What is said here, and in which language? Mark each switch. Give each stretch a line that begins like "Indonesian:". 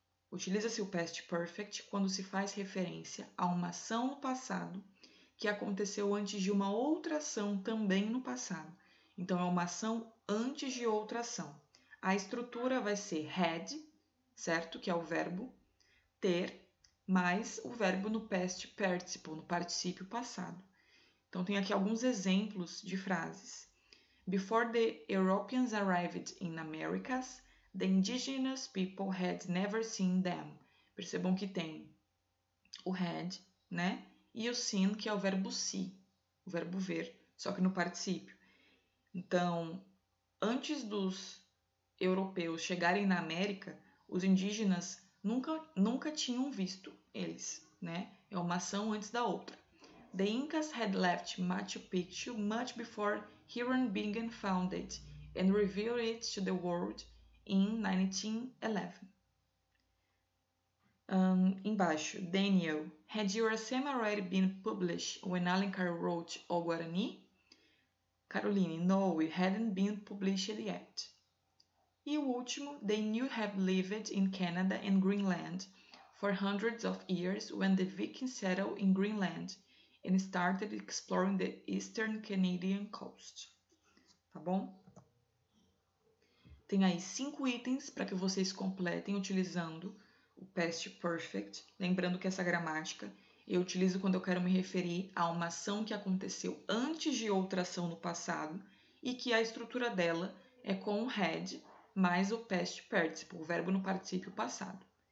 Portuguese: Utiliza-se o past perfect quando se faz referência a uma ação no passado que aconteceu antes de uma outra ação também no passado. Então, é uma ação antes de outra ação. A estrutura vai ser had, certo? Que é o verbo ter, mais o verbo no past participle, no particípio passado. Então, tem aqui alguns exemplos de frases.
English: Before the Europeans arrived in Americas, the indigenous people had never seen them.
Portuguese: Percebam que tem o had, né? E o seen, que é o verbo see, o verbo ver, só que no particípio. Então, antes dos europeus chegarem na América, os indígenas nunca tinham visto eles, né? É uma ação antes da outra.
English: The Incas had left Machu Picchu much before Huron Bingham found it and revealed it to the world in 1911.
Portuguese: Embaixo,
English: Daniel, had your essay already been published when Alencar wrote O Guarani? Caroline, no, it hadn't been published yet.
Portuguese: E o último,
English: they knew have lived in Canada and Greenland for hundreds of years when the Vikings settled in Greenland and started exploring the eastern Canadian coast.
Portuguese: Tá bom? Tem aí 5 itens para que vocês completem utilizando o past perfect. Lembrando que essa gramática eu utilizo quando eu quero me referir a uma ação que aconteceu antes de outra ação no passado e que a estrutura dela é com o had mais o past participle, o verbo no particípio passado.